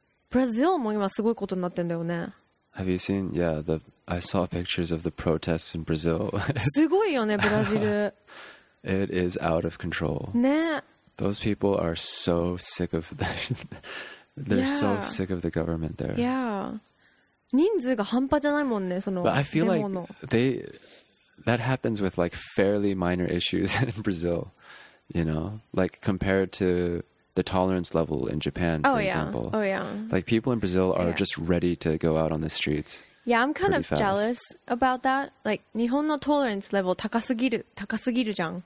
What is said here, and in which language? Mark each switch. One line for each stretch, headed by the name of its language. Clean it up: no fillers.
Japanese: Brazil も今すごいことになってんだよね
English: Have you seen I saw pictures of the protests in Brazil
Japanese: すごいよねブラジル
English: It is out of control. Nah. Those people are so sick of the so sick of the government there. Yeah.
Japanese: 人数が半端じゃないもんね、その
English: But I feel like that happens with like fairly minor issues in Brazil, you know? Like compared to the tolerance level in Japan, for example. Oh yeah. Like people in Brazil are just ready to go out on the streets. Yeah, I'm kind of jealous about that.
Japanese: Like, 日本のトレンスレベル高すぎるじゃん。